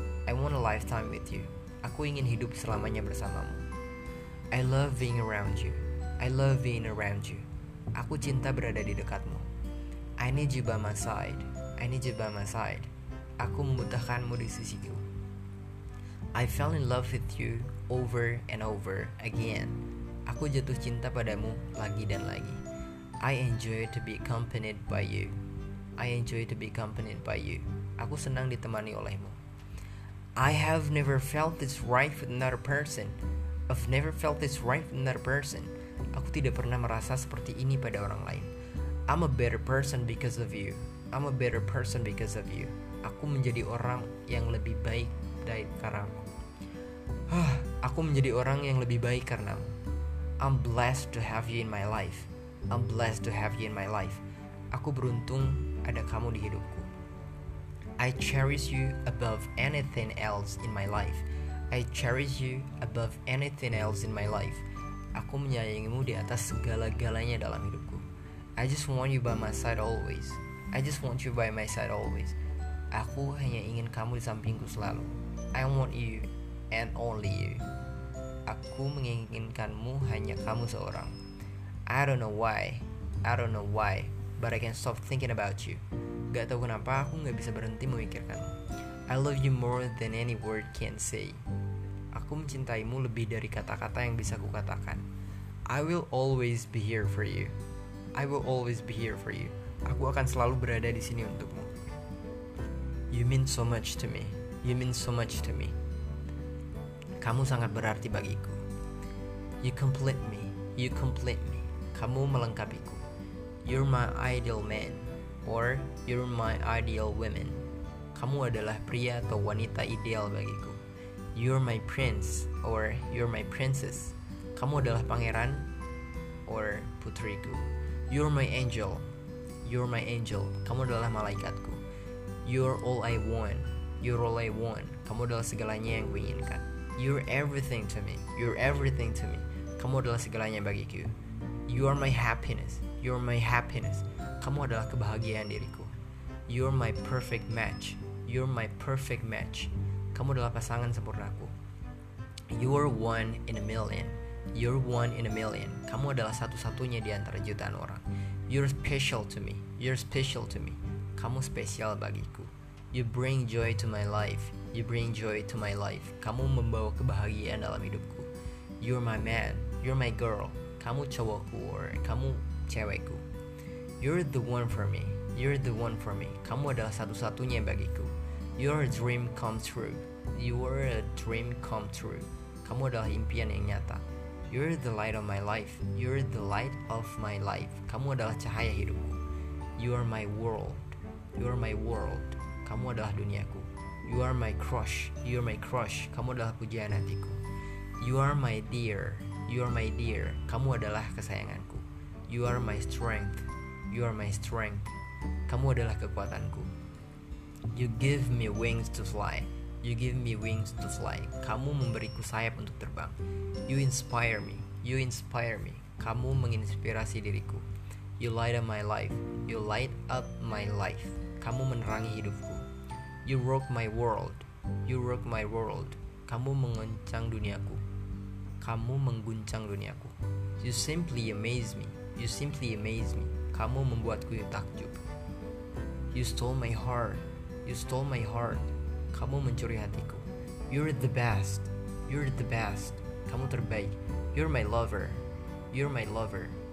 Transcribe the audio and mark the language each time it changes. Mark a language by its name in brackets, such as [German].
[English] I want a lifetime with you. [Indonesian] Aku ingin hidup selamanya bersamamu. [English] I love being around you. I love being around you. [Indonesian] Aku cinta berada di dekatmu. [English] I need you by my side. I need you by my side. [Indonesian] Aku membutuhkanmu di sisiku. [English] I fell in love with you over and over again. [Indonesian] Aku jatuh cinta padamu lagi dan lagi. [English] I enjoy to be accompanied by you. I enjoy to be accompanied by you. [Indonesian] Aku senang ditemani olehmu. [English] I have never felt this right with another person. I've never felt this right with another person. [Indonesian] Aku tidak pernah merasa seperti ini pada orang lain. [English] I'm a better person because of you. I'm a better person because of you. [Indonesian] Aku menjadi orang yang lebih baik dari karenamu. Aku menjadi orang yang lebih baik karenamu. [English] I'm blessed to have you in my life. I'm blessed to have you in my life. [Indonesian] Aku beruntung ada kamu di hidupku. [English] I cherish you above anything else in my life. I cherish you above anything else in my life. [Indonesian] Aku menyayangimu di atas segala-galanya dalam hidupku. [English] I just want you by my side always. I just want you by my side always. [Indonesian] Aku hanya ingin kamu di sampingku selalu. [English] I want you and only you. [Indonesian] Aku menginginkanmu hanya kamu seorang. [English] I don't know why. I don't know why, but I can't stop thinking about you. [Indonesian] Gak tahu kenapa aku gak bisa berhenti memikirkanmu. [English] I love you more than any word can say. [Indonesian] Aku mencintaimu lebih dari kata-kata yang bisa kukatakan. [English] I will always be here for you. I will always be here for you. [Indonesian] Aku akan selalu berada di sini untukmu. [English] You mean so much to me. You mean so much to me. [Indonesian] Kamu sangat berarti bagiku. [English] You complete me. You complete me. [Indonesian] Kamu melengkapiku. [English] You're my ideal man, or you're my ideal woman. [Indonesian] Kamu adalah pria atau wanita ideal bagiku. [English] You're my prince, or you're my princess. [Indonesian] Kamu adalah pangeran, or putriku. [English] You're my angel, you're my angel. [Indonesian] Kamu adalah malaikatku. [English] You're all I want, you're all I want. [Indonesian] Kamu adalah segalanya yang kuinginkan. [English] You're everything to me, you're everything to me. [Indonesian] Kamu adalah segalanya bagiku. [English] You are my happiness, you are my happiness. [Indonesian] Kamu adalah kebahagiaan diriku. [English] You are my perfect match, you are my perfect match. [Indonesian] Kamu adalah pasangan sempurnaku. [English] You are one in a million, you are one in a million. [Indonesian] Kamu adalah satu-satunya di antara jutaan orang. [English] You are special to me, you are special to me. [Indonesian] Kamu spesial bagiku. [English] You bring joy to my life, you bring joy to my life. [Indonesian] Kamu membawa kebahagiaan dalam hidupku. [English] You are my man, you are my girl. [Indonesian] Kamu cowokku, or kamu cewekku. [English] You're the one for me, you're the one for me. [Indonesian] Kamu adalah satu-satunya bagiku. [English] You're a dream come true, you're a dream come true. Kamu adalah impian yang nyata. You're the light of my life, you're the light of my life. [Indonesian] Kamu adalah cahaya hidupku. [English] You are my world, you're my world. [Indonesian] Kamu adalah duniaku. [English] You are my crush, you're my crush. [Indonesian] Kamu adalah pujian hatiku. [English] You are my dear, you are my dear. [Indonesian] Kamu adalah kesayanganku. [English] You are my strength, you are my strength. [Indonesian] Kamu adalah kekuatanku. [English] You give me wings to fly, you give me wings to fly. [Indonesian] Kamu memberiku sayap untuk terbang. [English] You inspire me, you inspire me. [Indonesian] Kamu menginspirasi diriku. [English] You light up my life, you light up my life. [Indonesian] Kamu menerangi hidupku. [English] You rock my world, you rock my world. [Indonesian] Kamu mengguncang duniaku. Kamu mengguncang duniaku. [English] You simply amaze me. You simply amaze me. [Indonesian] Kamu membuatku takjub. [English] You stole my heart. You stole my heart. [Indonesian] Kamu mencuri hatiku. [English] You're the best. You're the best. [Indonesian] Kamu terbaik. [English] You're my lover. You're my lover.